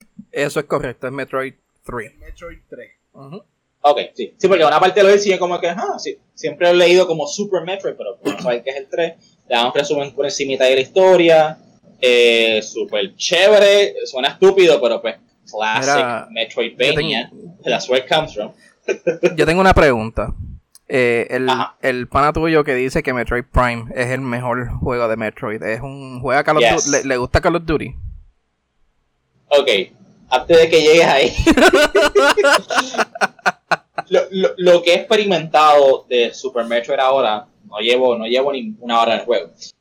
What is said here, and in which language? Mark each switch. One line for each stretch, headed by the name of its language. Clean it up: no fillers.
Spanish: Eso es correcto, es Metroid 3. Metroid 3. Ajá. Ok, sí, porque una parte lo decía como que, sí, siempre he leído como Super Metroid, pero no sabes qué es el 3. Le damos resumen por encima de la historia, súper chévere, suena estúpido, pero pues, classic. Mira,
English: Metroidvania, that's where it comes from.
Spanish: Yo tengo una pregunta. El pana tuyo que dice que Metroid Prime es el mejor juego de Metroid, ¿es un juego a Call of Duty? ¿Le gusta Call of Duty? Ok, antes de que llegues ahí. Lo que he experimentado de Super Metroid ahora, no llevo ni una hora en el juego.